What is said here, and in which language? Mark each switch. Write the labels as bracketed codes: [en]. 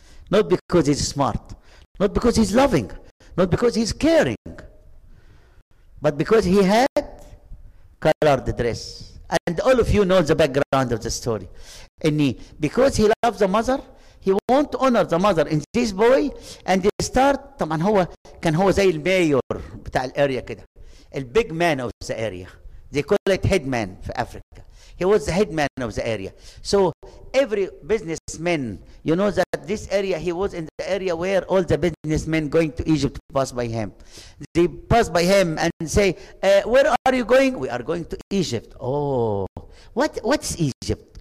[en] Not because he's smart. Not because he's loving. Not because he's caring. But because he had colored dress. And all of you know the background of the story. And because he loves the mother, he won't honor the mother in this boy. And he start, [ar] طبعاً هو كان هو زي المايور بتاع الاريا كده. [en] The big man of the area. They call it head man for Africa. He was the head man of the area. So every businessman, you know that this area, he was in the area where all the businessmen going to Egypt pass by him. They pass by him and say, where are you going? We are going to Egypt. Oh, what's Egypt?